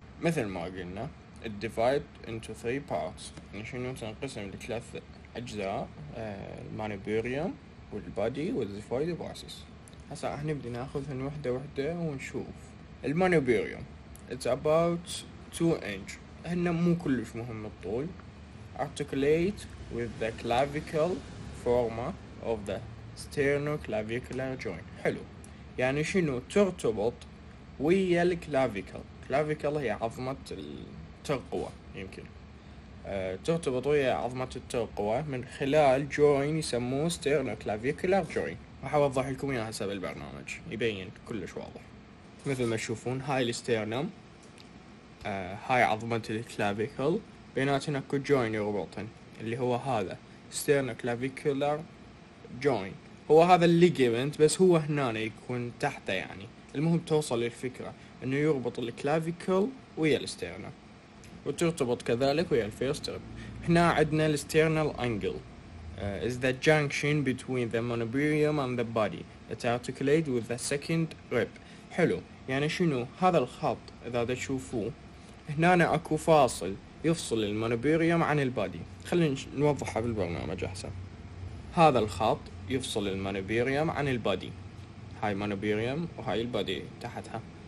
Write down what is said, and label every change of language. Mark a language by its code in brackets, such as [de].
[ar] مثل ما قلنا [en] it divide into 3 parts، [ar] يعني شنو؟ تنقسم لثلاث اجزاء، المانوبيريوم والبادي والزيفويد بوسس. هسا راح نبدا ناخذهن وحده وحده ونشوف. المانوبيريوم [en] it's about 2 inch، [ar] هن مو كلش مهم الطول. [en] articulate with the clavicle forma of the sternoclavicular joint. [ar] حلو، يعني شنو؟ ترتبط ويا الكلافيكل. كلافيكل هي عظمة الترقوة، يمكن ترتبط ويا عظمة الترقوة من خلال جوين يسموه sternoclavicular joint. راح اوضح لكم اياها حسب البرنامج، يبين كلش واضح. مثل ما تشوفون هاي الاسترنم، هاي عظمة الكلافيكل، بيناتنا اكو جوين يربطن اللي هو هذا sternoclavicular جوين، هو هذا الليجمنت، بس هو هنا يكون تحته. يعني المهم توصل للفكرة انه يربط الكلافيكل ويا الاسترنا، وترتبط كذلك ويا الفيرست ريب. هنا عندنا الاسترنال انجل، [en] is the junction between the manubrium and the body that articulate with the second rib. [ar] حلو. يعني شنو هذا الخط إذا تشوفوه هنا أكو فاصل يفصل المانوبيريوم عن البادي. خلينا نوضحها بالبرنامج أحسن. هذا الخط يفصل المانوبيريوم عن البادي. هاي مانوبيريوم وهاي البادي تحتها.